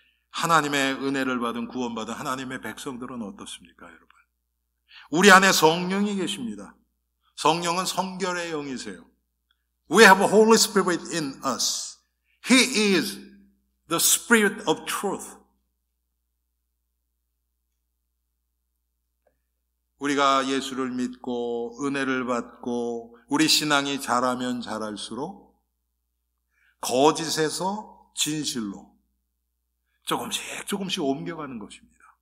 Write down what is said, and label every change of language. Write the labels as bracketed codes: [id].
[ko] 하나님의 은혜를 받은 구원받은 하나님의 백성들은 어떻습니까, 여러분? 우리 안에 성령이 계십니다. 성령은 성결의 영이세요. [en] We have a Holy Spirit in us. He is the Spirit of truth. [ko] 우리가 예수를 믿고 은혜를 받고 우리 신앙이 자라면 자랄수록 거짓에서 진실로 조금씩 조금씩 옮겨가는 것입니다.